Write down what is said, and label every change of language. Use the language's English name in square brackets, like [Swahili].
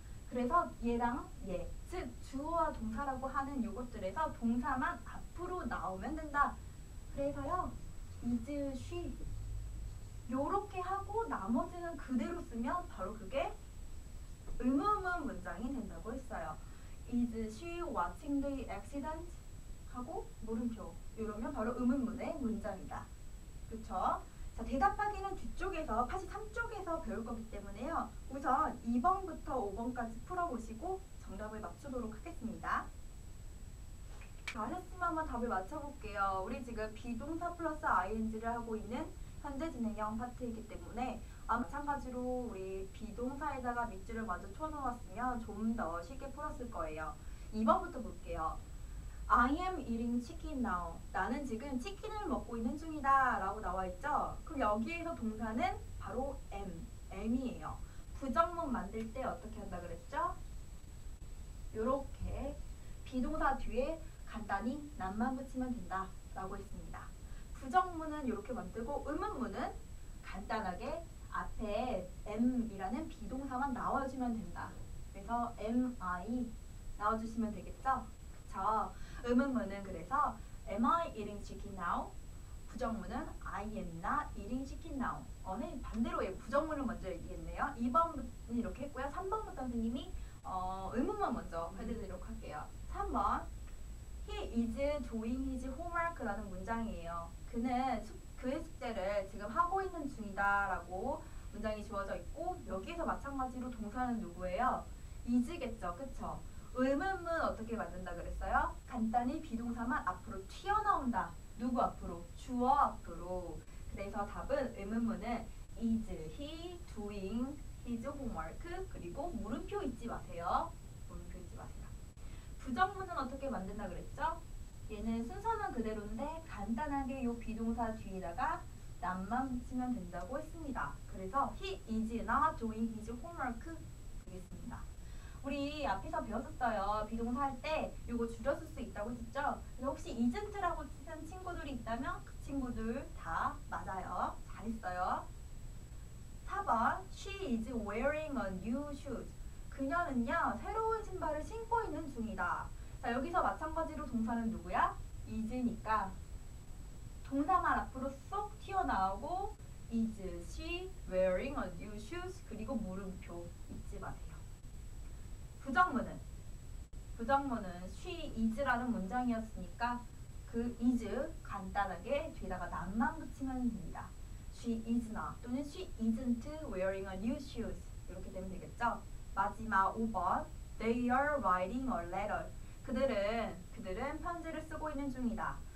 [Korean] 그래서 얘랑 얘, 즉 주어와 동사라고 하는 요것들에서 동사만 앞으로 나오면 된다. 그래서요, is she 요렇게 하고 나머지는 그대로 쓰면 바로 그게 의문문 문장이 된다고 했어요. [English] Is she watching the accident? [Korean] 하고 물음표. 이러면 바로 의문문의 문장이다. 그쵸? 자, 대답하기는 뒤쪽에서, 83쪽에서 배울 거기 때문에요. 우선 2번부터 5번까지 풀어보시고 정답을 맞추도록 하겠습니다. 아셨으면 한번 답을 맞춰볼게요. 우리 지금 비동사 플러스 ing를 하고 있는 현재 진행형 파트이기 때문에 마찬가지로 우리 비동사에다가 밑줄을 먼저 쳐놓았으면 좀더 쉽게 풀었을 거예요. [English] 2번부터 볼게요. I am eating chicken now. [Korean] 나는 지금 치킨을 먹고 있는 중이다 라고 나와 있죠? 그럼 여기에서 동사는 바로 am이에요. 부정문 만들 때 어떻게 한다 그랬죠? 요렇게 비동사 뒤에 간단히 not만 붙이면 된다 라고 했습니다. 부정문은 이렇게 만들고 의문문은 간단하게 앞에 am이라는 비동사만 나와주면 된다. 그래서 am I 나와주시면 되겠죠? 그쵸? [English] 의문문은 그래서 am I eating chicken now? 부정문은 I am not eating chicken now. [Korean] 어네 반대로 부정문을 먼저 얘기했네요. 2번은 이렇게 했고요. 3번부터 선생님이 의문문 먼저 해드리도록 할게요. [English] 3번 He is doing his homework라는 문장이에요. [Korean] 그의 숙제를 지금 하고 있는 중이다라고 문장이 주어져 있고 여기에서 마찬가지로 동사는 누구예요? is겠죠, 그쵸? 의문문 어떻게 만든다 그랬어요? 간단히 비동사만 앞으로 튀어나온다. 누구 앞으로? 주어 앞으로. [English] 그래서 답은 의문문은 is he doing his homework? [Korean] 그리고 물음표 잊지 마세요. 물음표 잊지 마세요. 부정문은 어떻게 만든다 그랬죠? 얘는 순서는 그대로인데 간단하게 요 비동사 뒤에다가 not만 붙이면 된다고 했습니다. [English] 그래서 he is not doing his homework 되겠습니다. [Korean] 우리 앞에서 배웠었어요. 비동사 할때 요거 줄여 쓸수 있다고 했었죠? 그래서 혹시 isn't라고 쓰는 친구들이 있다면 그 친구들 다 맞아요. 잘했어요. [English] 4번 she is wearing a new shoes. [Korean] 그녀는요 새로운 신발을 신고 있는 중이다. 자, 여기서 마찬가지로 동사는 누구야? [English] is니까 동사만 앞으로 쏙 튀어나오고 is she wearing a new shoes? [Korean] 그리고 물음표 잊지 마세요. 부정문은 she is라는 문장이었으니까 그 is 간단하게 뒤에다가 not만 붙이면 됩니다. [English] she is not 또는 she isn't wearing a new shoes 이렇게 되면 되겠죠? 마지막 5번 they are writing a letter. [Korean] 그들은 편지를 쓰고 있는 중이다.